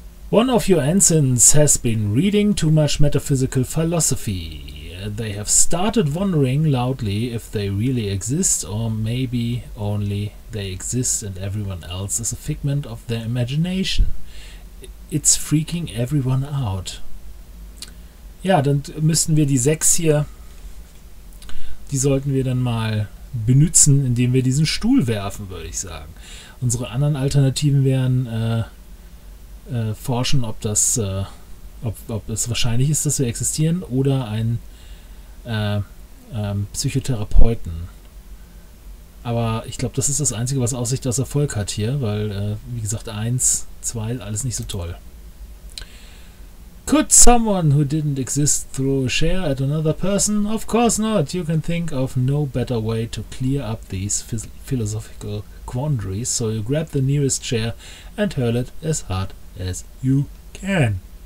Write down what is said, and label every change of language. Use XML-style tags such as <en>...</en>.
<en>One of your ancients has been reading too much metaphysical philosophy. They have started wondering loudly if they really exist or maybe only they exist and everyone else is a figment of their imagination. It's freaking everyone out.</en> <de>Ja, dann müssten wir die 6 hier, die sollten wir dann mal benutzen, indem wir diesen Stuhl werfen, würde ich sagen. Unsere anderen Alternativen wären forschen, ob das, ob es wahrscheinlich ist, dass wir existieren, oder ein Psychotherapeuten. Aber ich glaube, das ist das Einzige, was Aussicht auf Erfolg hat hier, weil, wie gesagt, 1, 2, alles nicht so toll.</de> <en>Could someone who didn't exist throw a chair at another person? Of course not. You can think of no better way to clear up these philosophical quandaries. So you grab the nearest chair and hurl it as hard as you can.</en>